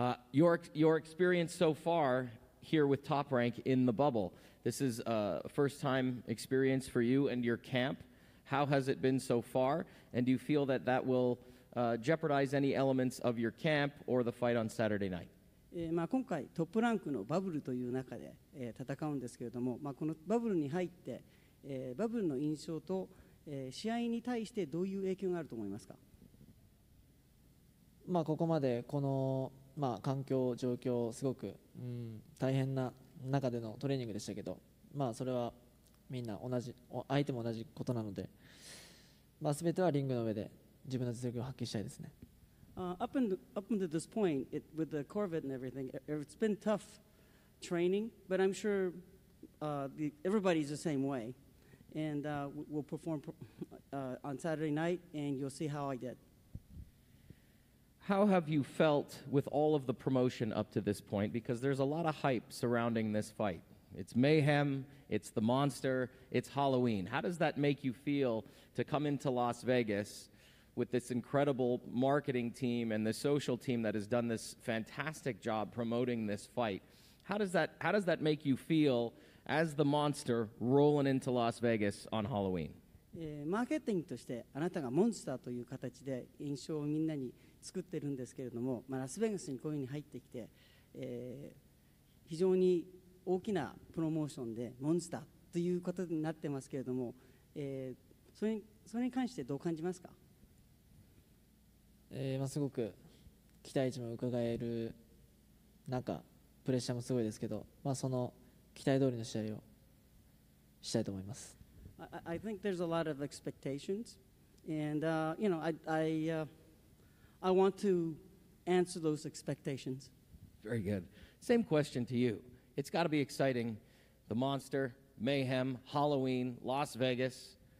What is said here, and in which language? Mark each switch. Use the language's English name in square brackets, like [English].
[English] Your experience so far here with Top Rank in the bubble, this is a first time experience for you and your camp. How has it been so far? And do you feel that that will jeopardize any elements of your camp or the fight on Saturday night? [Japanese] まあ、今回トップランクのバブルという中で、戦うんですけれども、まあ、このバブルに入ってバブルの印象と、試合に対してどういう影響があると思いますか？まあ、ここまでこの、まあ、環境状況すごく、大変な中でのトレーニングでしたけど、まあ、それはみんな同じ相手も同じことなので、まあ、全てはリングの上で自分の実力を発揮したいですね。 [English] Up until this point, with the COVID and everything, it's been tough training, but I'm sure everybody's the same way. and we'll perform on Saturday night, and you'll see how I did. How have you felt with all of the promotion up to this point? Because there's a lot of hype surrounding this fight. It's mayhem, it's the monster, it's Halloween. How does that make you feel to come into Las Vegas with this incredible marketing team and the social team that has done this fantastic job promoting this fight? How does that make you feel as the monster rolling into Las Vegas on Halloween? [Japanese] マーケティングとしてあなたがモンスターという形で印象をみんなに作ってるんですけれども、まあ、ラスベガスにこういうふうに入ってきて、非常に大きなプロモーションでモンスターということになってますけれども、それに関してどう感じますか？まあ、すごく期待値も伺える中プレッシャーもすごいですけど、まあ、その期待通りの試合をしたいと思います。 [English] I think there's a lot of expectations, and you know, I want to answer those expectations. Very good. Same question to you. It's got to be exciting. The monster, mayhem, Halloween, Las Vegas.